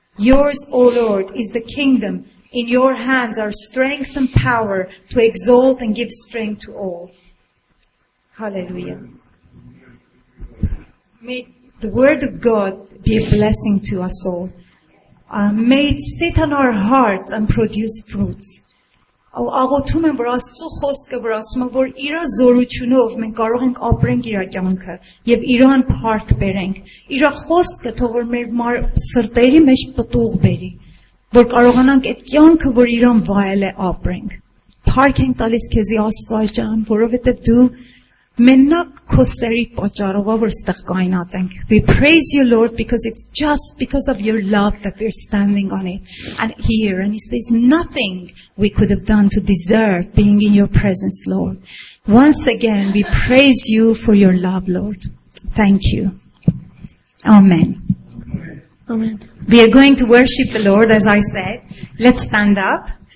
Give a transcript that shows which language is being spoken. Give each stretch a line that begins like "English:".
English: Yours, O Lord, is the kingdom. In your hands are strength and power to exalt and give strength to all. Hallelujah. May the word of God be a blessing to us all. May it sit on our hearts and produce fruits.
Armenian: Աղոթում եմ, որ Աստծո խոսքը, որ ասում է, որ իր զորությունով մենք կարող ենք ապրենք իր կյանքը եւ իրան փառք բերենք։ Իր խոսքը թող որ մեր սրտերի մեջ պտուղ բերի, որ կարողանանք այդ կյանքը, որ իրան վայել է, ապրենք։ Փառք ենք տալիս քեզի Աստծո ջան, որովհետեւ դու մենակ քո սերի պատճառով որստեղ կայնած ենք։
English: We praise you, Lord, because it's just because of your love that we're standing on it and here, and there's nothing we could have done to deserve being in your presence, Lord. Once again, we praise you for your love, Lord. Thank you. Amen. Amen. We are going to worship the Lord, as I said. Let's stand up.